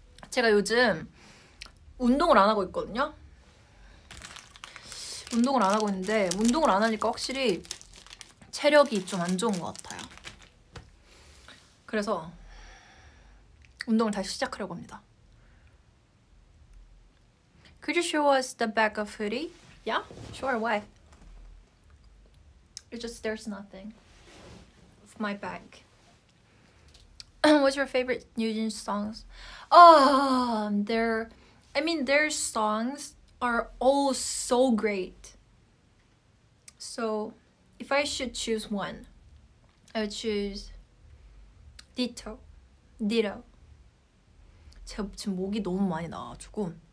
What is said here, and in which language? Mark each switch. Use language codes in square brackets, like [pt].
[ko] 제가 요즘 운동을 안 하고 있거든요. 운동을 안 하고 있는데 운동을 안 하니까 확실히 체력이 좀 안 좋은 것 같아요. 그래서 운동을 다시 시작하려고 합니다. [en] Could you show us the back of hoodie? Yeah, sure, why? Just there's nothing of my back. What's your favorite NewJeans songs? Their songs are all so great. So if I should choose one, I would choose Ditto. Ditto. [ko] 제가 지금 목이 너무 많이 나가지고